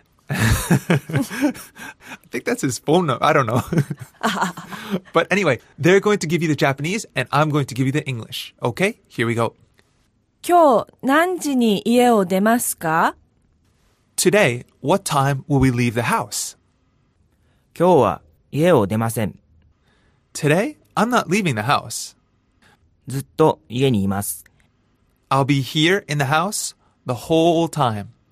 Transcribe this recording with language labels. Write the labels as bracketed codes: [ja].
[en] I think that's his phone number. I don't know. But anyway, they're going to give you the Japanese and I'm going to give you the English. Okay, here we go. [ja] 今日何時に家を出ますか? [en] Today, what time will we leave the house? [ja] 今日は家を出ません。 [en] Today, I'm not leaving the house. [ja] ずっと家にいます。 [en] I'll be here in the house the whole time.